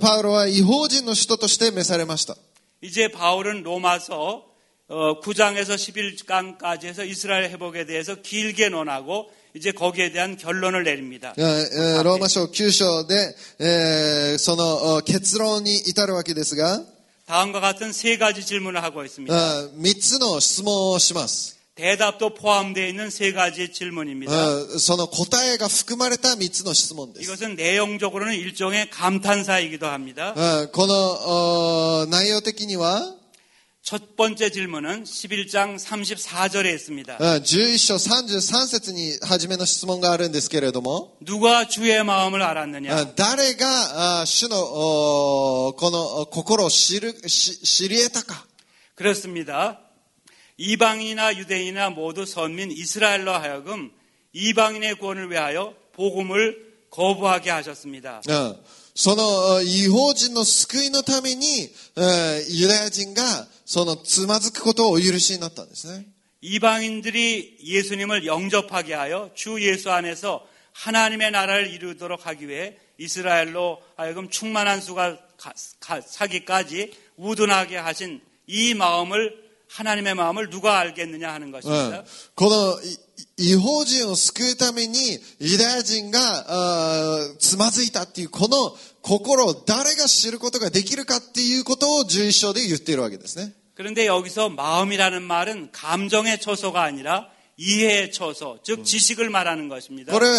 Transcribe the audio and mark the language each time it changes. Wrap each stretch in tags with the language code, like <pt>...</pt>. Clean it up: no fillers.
<ja>바울은異邦人の使徒として召されました</ja> <ko>이제바울은로마서9장에서11장까지해서이스라엘회복에대해서길게논하고이제거기에대한결론을내립니다 로마서9장에</ko> <ja>その結論に至るわけですが</ja> <ko>다음과같은세가지질문을하고있습니다</ko> <ja>3つの質問をします</ja> <ko>대답도포함되어있는세가지질문입니다</ko> <ja>その答えが含まれた3つの質問です</ja> <ko>이것은내용적으로는일종의감탄사이기도합니다</ko> <ja>この内容的には</ja> <ko>첫번째질문은11장34절에있습니다</ko> <ja>11章33節に初めの質問があるんですけれども</ja> <ko>누가주의마음을알았느냐</ko> <ja>誰が主のこの心を知り得たか</ja> <ko>그렇습니다이방인이나유대인이나모두선민이스라엘로하여금이방인의구원을위하여복음을거부하게하셨습니다</ko> <ja>その異邦人の救いのためにユダヤ人がそのつまずくことをお許しになったんですね。</ja> <ko>이방인들이예수님을영접하게하여주예수안에서하나님의나라를이루도록하기위해 이스라엘로 하여금 충만한 수가 사기까지 우둔하게 하신 이 마음을 하나님의 마음을 누가 알겠느냐 하는 것입니다. 네. 그는 이방인을</ko> <ja>救う ために</ja> <ko>유대인이</ko> <ja>つまずいたっていうこの心を 誰が 知ることができるかっていうことを 11章で 言っているわけですね.</ja> <ko>그런데 여기서 마음이라는 말은 감정의 초소가 아니라 이해의 초소, 즉 지식을 말하는 것입니다.</ko>